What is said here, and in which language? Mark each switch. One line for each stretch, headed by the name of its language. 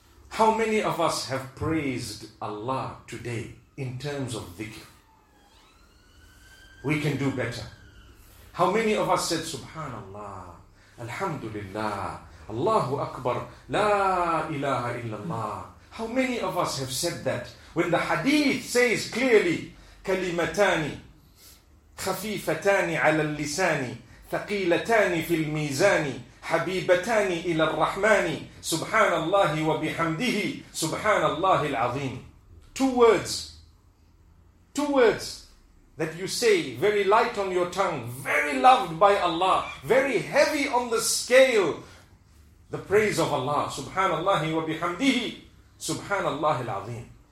English: How many of us have praised Allah today in terms of dhikr? We can do better. How many of us said, Subhanallah, Alhamdulillah, Allahu Akbar, La ilaha illallah. How many of us have said that when the hadith says clearly,
Arabic: كلمتان خفيفتان على اللسان ثقيلتان في الميزان حبيبتان إلى الرحمن سبحان الله وبحمده سبحان الله العظيم.
English: Two words that you say, very light on your tongue, very loved by Allah, very heavy on the scale, the praise of Allah,
Arabic: سبحان الله وبحمده سبحان الله العظيم.